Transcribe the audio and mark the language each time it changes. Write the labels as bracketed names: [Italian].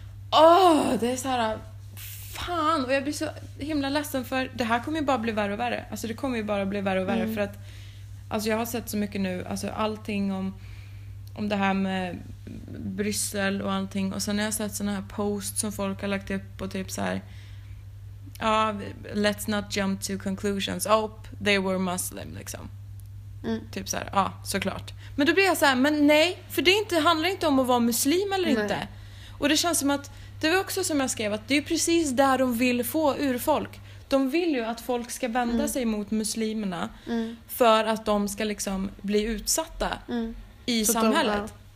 [Swedish] Åh, det är så här... Fan, och jag blir så himla ledsen för... Det här kommer ju bara bli värre och värre. Alltså det kommer ju bara bli värre och värre för att... Alltså jag har sett så mycket nu. Alltså allting om det här med Bryssel och allting. Och sen har jag sett såna här posts som folk har lagt upp och typ så här... Ja, [English] let's not jump to conclusions. Oh, they were Muslim, [Swedish] liksom. Mm. Typ så här, ja, såklart. Men då blir jag så här, men nej, för det handlar inte om att vara muslim eller inte. Och det känns som att, det var också som jag skrev, att det är precis där de vill få ur folk. De vill ju att folk ska vända sig mot muslimerna för att de ska liksom bli utsatta i så samhället.